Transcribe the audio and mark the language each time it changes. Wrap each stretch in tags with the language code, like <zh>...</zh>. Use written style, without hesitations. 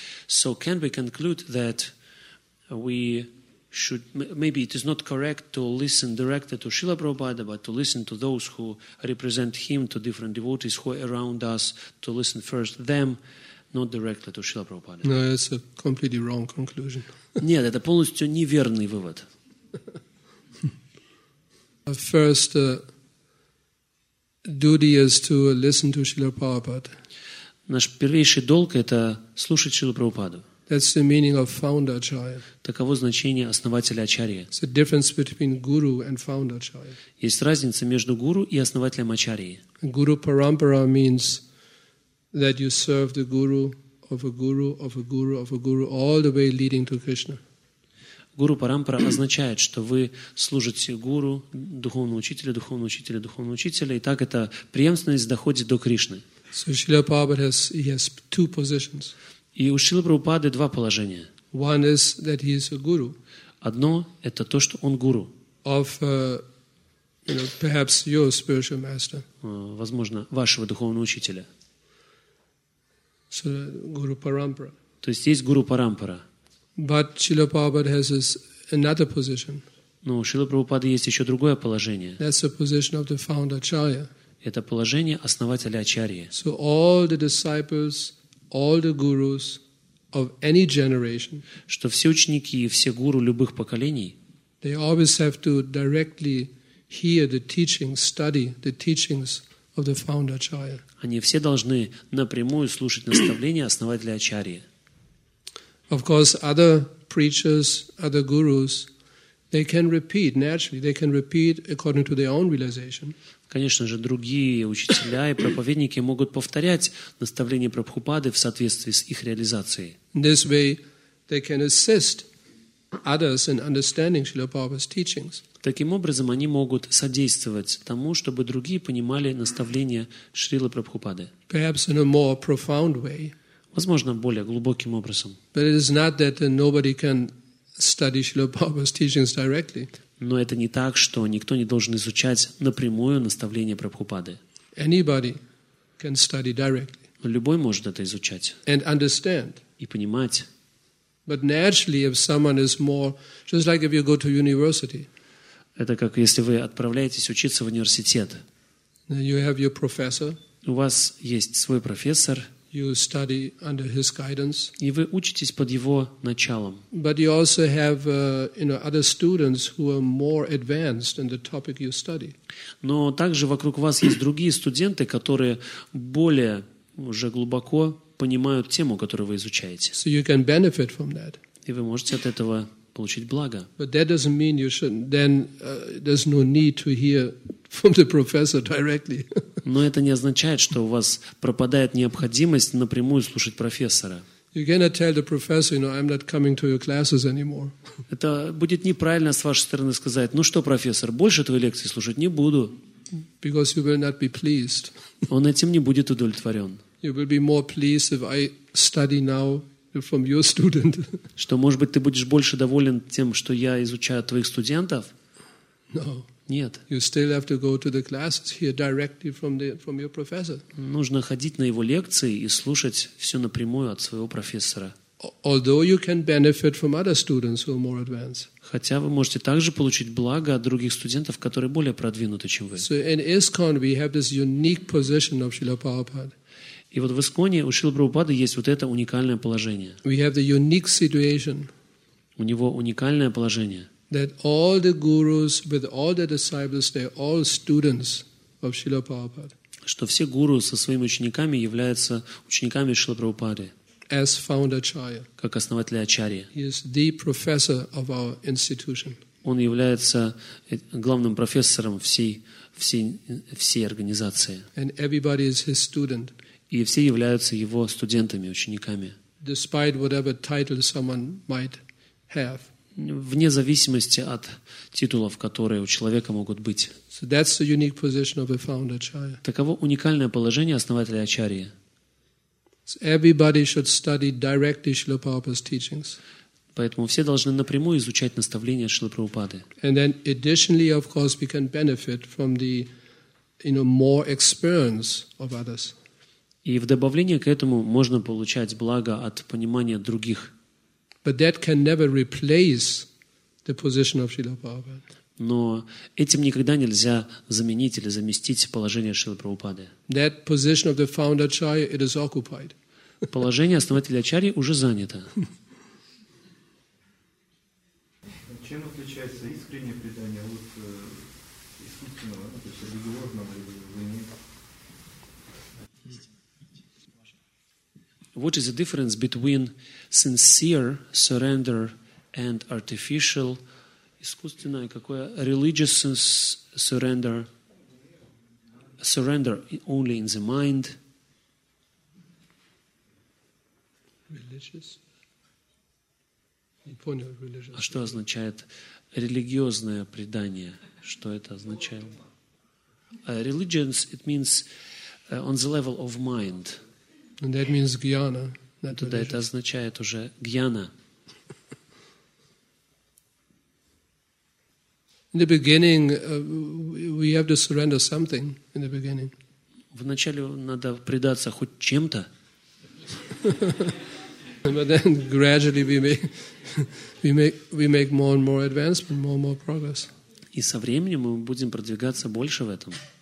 <en>So can we conclude that we should, maybe it is not correct to listen directly to Srila Prabhupada, but to listen to those who represent him, to different devotees who are around us, to listen first them, not directly to Srila Prabhupada. No, it's a completely wrong conclusion.</en> <ru>Нет, это полностью неверный вывод.</ru> <en>Our first duty is to listen to Srila Prabhupada.</en> <ru>Наш первейший долг — это слушать Srila Prabhupada.</ru> <en>That's the meaning of founder acharya.</en> <ru>Таково значение основателя ачарьи.</ru> <en>It's the difference between guru and founder acharya.</en> <ru>Есть разница между гуру и основателем ачарьи.</ru> <en>Guru parampara means that you serve the guru of a guru of a guru of a guru all the way leading to Krishna.</en> <ru>Гуру парампара означает, что вы служите гуру, духовному учителю, духовному учителю, духовному учителю, и так эта преемственность доходит до Кришны.</ru> <en>So Srila Prabhupada has two positions.</en> <ru>И у Шрилы Прабхупады два положения.</ru> <en>One is that he is a guru.</en> <ru>Одно – это то, что он гуру.</ru> <en>Of, you know, perhaps your spiritual master.</en> <ru>Возможно, вашего духовного учителя.</ru> <en>So, guru parampara.</en> <ru>То есть есть гуру парампара.</ru> <en>But Srila Prabhupada has his another position.</en> <ru>Но у Шрилы Прабхупады есть еще другое положение.</ru> <en>That's the position of the founder acharya.</en> <ru>Это положение основателя ачарьи.</ru> <en>So all the disciples, all the gurus of any generation,</en> <ru>что все ученики и все гуру любых поколений,</ru> <en>they always have to directly hear the teachings, study the teachings of the founder acharya.</en> <ru>Они все должны напрямую слушать наставления основателя ачарьи.</ru> <en>Of course, other preachers, other gurus, they can repeat naturally. They can repeat according to their own realization.</en> <ru>Конечно же, другие учителя и проповедники могут повторять наставления Прабхупады в соответствии с их реализацией.</ru> <en>In this way, they can assist others in understanding Srila Prabhupada's teachings.</en> <ru>Таким образом, они могут содействовать тому, чтобы другие понимали наставления Шрилы Прабхупады.</ru> <en>Perhaps in a more profound way.</en> <ru>Возможно, более глубоким образом.</ru> <en>But it is not that nobody can study Srila Prabhupada's teachings directly.</en> <ru>Но это не так, что никто не должен изучать напрямую наставления Прабхупады.</ru> <en>Anybody can study directly.</en> <ru>Любой может это изучать.</ru> <en>And understand.</en> <ru>И понимать.</ru> <en>But naturally, if someone is more, just like if you go to university.</en> <ru>Это как если вы отправляетесь учиться в университет.</ru> <en>You have your professor.</en> <ru>У вас есть свой профессор.</ru> <en>You study under his guidance.</en> <ru>И вы учитесь под его началом.</ru> <en>But you also have, you know, other students who are more advanced in the topic you study.</en> <ru>Но также вокруг вас есть другие студенты, которые более уже глубоко понимают тему, которую вы изучаете.</ru> <en>So you can benefit from that.</en> <ru>И вы можете от этого получить благо.</ru> <en>But that doesn't mean you shouldn't. Then there's no need to hear from the professor directly.</en> <ru>Но это не означает, что у вас пропадает необходимость напрямую слушать профессора.</ru> <en>You cannot tell the professor, you know, I'm not coming to your classes anymore.</en> <ru>Это будет неправильно с вашей стороны сказать: ну что, профессор, больше твои лекции слушать не буду.</ru> <en>Because you will not be pleased.</en> <ru>Он этим не будет удовлетворен.</ru> <en>You will be more pleased if I study now from your student.</en> <ru>Что, может быть, ты будешь больше доволен тем, что я изучаю твоих студентов?</ru> <en>No.</en> <ru>Нет.</ru> <en>You still have to go to the classes here directly from your professor.</en> <ru>Нужно ходить на его лекции и слушать все напрямую от своего профессора.</ru> <en>Although you can benefit from other students who are more advanced.</en> <ru>Хотя вы можете также получить благо от других студентов, которые более продвинуты, чем вы.</ru> <en>So in ISKCON we have this unique position of Srila Prabhupada.</en> <ru>И вот в ИСККОНе у Шрилы Прабхупады есть вот это уникальное положение.</ru> <en>We have the unique situation.</en> <ru>У него уникальное положение.</ru> <en>That all the gurus with all the disciples, they are all students of Srila Prabhupada.</en> <ru>Что все гуру со своими учениками являются учениками Шрилы Прабхупады.</ru> <en>As founder acharya.</en> <ru>Как основателя ачарьи.</ru> <en>He is the professor of our institution.</en> <ru>Он является главным профессором всей организации.</ru> <en>And everybody is his student.</en> <ru>И все являются его студентами, учениками.</ru> <en>Despite whatever title someone might have.</en> <ru>Вне зависимости от титулов, которые у человека могут быть.</ru> <en>So that's the unique position of a founder acharya.</en> <ru>Таково уникальное положение основателя ачарьи.</ru> <en>So everybody should study directly Srila Prabhupada's teachings.</en> <ru>Поэтому все должны напрямую изучать наставления Шрилы Прабхупады.</ru> <en>And then additionally, of course, we can benefit from the, you know, more experience of others.</en> <ru>И в добавление к этому можно получать благо от понимания других.</ru> <en>But that can never replace the position of Srila Prabhupada.</en> <ru>Но этим никогда нельзя заменить или заместить положение Шрилы Прабхупады.</ru> <en>That position of the founder acharya, it is occupied.</en> <ru>Положение основателя ачарьи уже занято. Чем отличается искреннее предание от искусственного, то есть религиозного или нет?</ru> <en>What is the difference between sincere surrender and artificial?</en> <ru>Искусственное какое?</ru> <en>Religious surrender. Surrender only in the mind. Religious.</en> <ru>Не понял,</ru> <en>religious.</en> <ru>А что означает религиозное предание? Что это означает?</ru> <en>Religions, it means on the level of mind. And that means gyana. That</en> <ru>тогда это означает уже гьяна.</ru> <en>In the beginning, we have to surrender something in the beginning.</en> <ru>Вначале надо предаться хоть чем-то.</ru> <en>But then gradually we make more and more advancement, more and more progress.</en> <ru>И со временем мы будем продвигаться больше в этом.</ru>